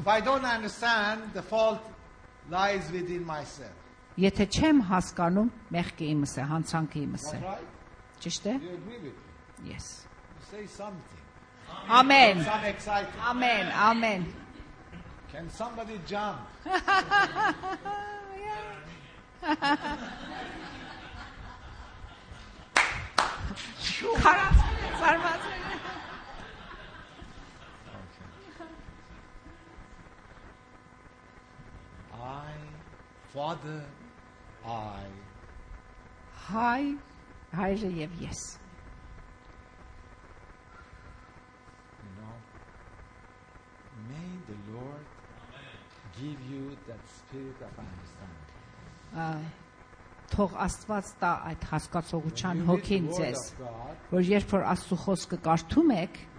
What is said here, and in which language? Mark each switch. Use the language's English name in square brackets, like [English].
[English] If I don't understand, the fault lies within myself. [Armenian] Եթե չեմ հասկանում, մեղքը իմս է, հանցանքը իմս է։ Ճիշտ է։ [English] Yes. Say something. Amen. Some excitement. Amen. Amen. Can somebody jump? Yeah. [Armenian] Քարած, զարմած։ [English] Okay. I Father I. Hi. Hi, Jeev. Yes. You know, may the Lord give you that spirit of understanding. [Armenian] Թող Աստված տա այդ հասկացողության հոգին ձեզ, որ երբ որ Աստծո խոսքը կարդում եք,